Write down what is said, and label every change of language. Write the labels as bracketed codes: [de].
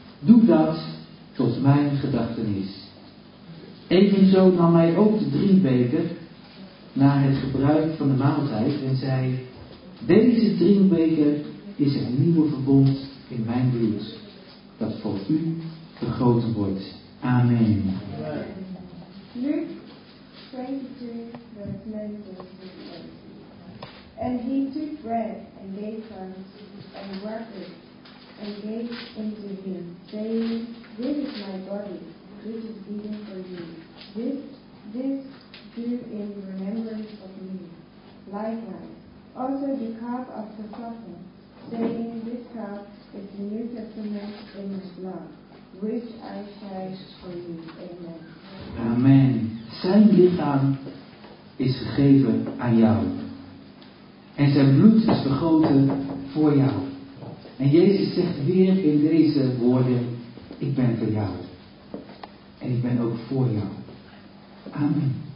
[nl] Doe dat tot mijn gedachtenis. Evenzo nam hij ook de drinkbeker na het gebruik van de maaltijd en zei: deze drinkbeker is een nieuwe verbond in mijn bloed, dat voor u vergoten wordt. Amen. [en] Luke 22, verse 19. En he took bread and gave thanks and worked and gave unto him, saying, this is my body, which is given for you. This do in remembrance of me. Likewise, also the cup of the supper, saying, this cup is the New Testament in his blood, which I shed for you. Amen. Amen. [nl] Zijn lichaam is gegeven aan jou. En zijn bloed is vergoten voor jou. En Jezus zegt weer in deze woorden: ik ben voor jou. En ik ben ook voor jou. Amen.